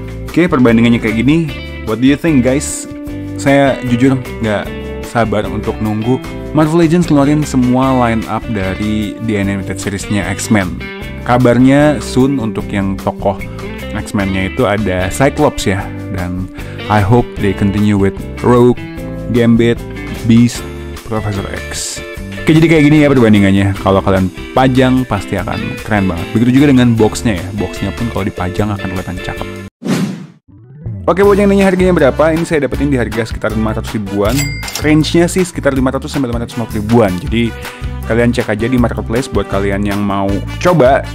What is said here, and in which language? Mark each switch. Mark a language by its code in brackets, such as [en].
[id] Oke, perbandingannya kayak gini. [en] What do you think guys? [id] Saya jujur gak sabar untuk nunggu Marvel Legends keluarin semua line up dari The Animated Series-nya X-Men. Kabarnya soon untuk yang tokoh X-Men-nya itu ada Cyclops ya. Dan [en] I hope they continue with Rogue, Gambit, Beast, Professor X. [id] Oke, jadi kayak gini ya perbandingannya. Kalau kalian pajang pasti akan keren banget. Begitu juga dengan box-nya ya. Box-nya pun kalau dipajang akan kelihatan cakep. Oke, buat yang nanya harganya berapa, ini saya dapetin di harga sekitar 500 ribuan. Range-nya sih sekitar 500-550 ribuan. Jadi kalian cek aja di marketplace buat kalian yang mau coba.